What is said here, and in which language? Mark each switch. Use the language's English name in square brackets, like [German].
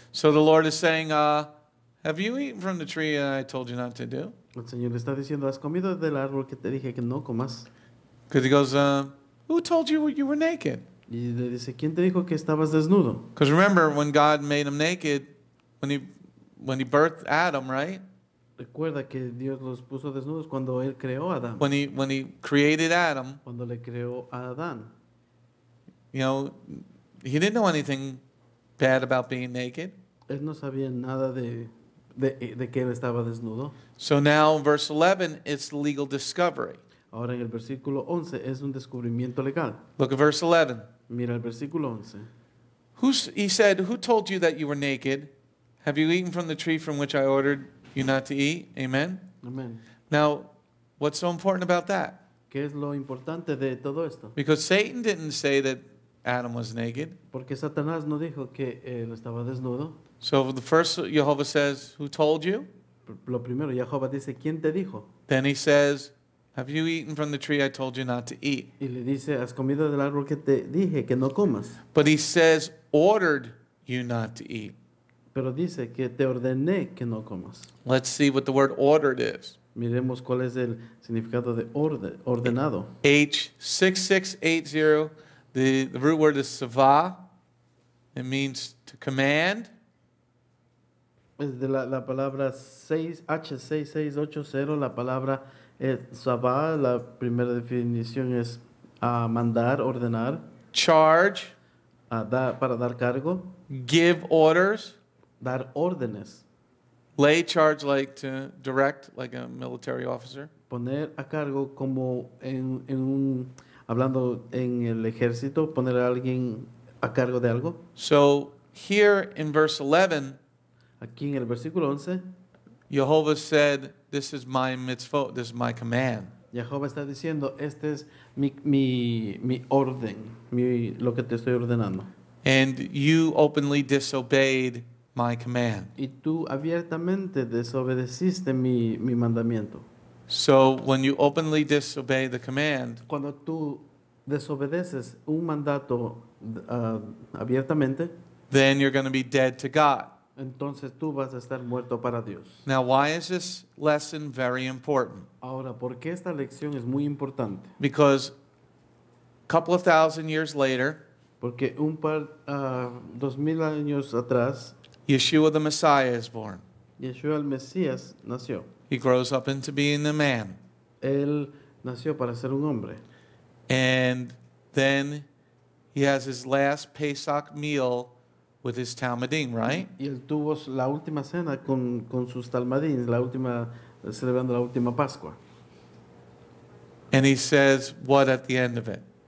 [English] So the Lord is saying, "Have you eaten from the tree I told you not to do?" [Spanish] El Señor está diciendo, ¿has comido del árbol que te dije que no comas? [English] Because he goes, "Who told you you were naked?" [Spanish] Y le dice, ¿quién te dijo que estabas desnudo? [English] Because remember when God made him naked, when he birthed Adam, right? [Spanish] Recuerda que Dios los puso desnudos cuando él creó a Adán. [English] When he created Adam. [Spanish] Cuando le creó a Adán. [English] You know, he didn't know anything bad about being naked. [Spanish] Él no sabía nada de que él estaba desnudo. [English] So now, verse 11, it's the legal discovery. [Spanish] Ahora en el versículo 11 es un descubrimiento legal. [English] Look at verse 11. [Spanish] Mira el versículo 11. [English] He said, "Who told you that you were naked? Have you eaten from the tree from which I ordered you not to eat?" Amen. [Spanish] Amen. [English] Now, what's so important about that? [Spanish] ¿Qué es lo importante de todo esto? [English] Because Satan didn't say that Adam was naked. [Spanish] Porque Satanás no dijo que él estaba desnudo. [English] So the first Jehovah says, "Who told you?" [Spanish] Lo primero, Jehovah dice, ¿quién te dijo? [English] Then he says, "Have you eaten from the tree I told you not to eat?" [Spanish] Y le dice, ¿has comido del árbol que te dije que no comas? [English] But he says, "Ordered you not to eat." [Spanish] Pero dice que te ordené que no comas. [English] Let's see what the word ordered is. [Spanish] Miremos cuál es el significado de ordenado. [English] H6680, the root word is sava. It means to command. [Spanish] Es de la palabra H6680, la palabra sava, la primera definición es mandar, ordenar. [English] Charge. [Spanish] Para dar cargo. [English] Give orders. [Spanish] Dar órdenes. [English] Lay charge, like to direct, like a military officer. [Spanish] Poner a cargo como en un, hablando en el ejército, poner a alguien a cargo de algo. [English] So here in verse 11, [Spanish] aquí en el versículo 11, [English] Jehovah said, "This is my mitzvot, this is my command." [Spanish] Jehovah está diciendo, este es mi orden, lo que te estoy ordenando. [English] And you openly disobeyed my command. [Spanish] Y tú abiertamente desobedeciste mi mandamiento. [English] So when you openly disobey the command, [Spanish] cuando tú desobedeces un mandato abiertamente, [English] then you're going to be dead to God. [Spanish] Entonces tú vas a estar muerto para Dios. [English] Now, why is this lesson very important? [Spanish] Ahora, ¿por qué esta lección es muy importante? [English] Because a couple of thousand years later, [Spanish] porque un par 2000 años atrás, [English] Yeshua the Messiah is born. [Spanish] Yeshua el Mesías nació. [English] He grows up into being a man. [Spanish] Él nació para ser un hombre. [English] And then he has his last Pesach meal with his Talmudim, right? [Spanish] Y él tuvo la última cena con sus Talmudim, celebrando la última Pascua. [English] And he says what at the end of it?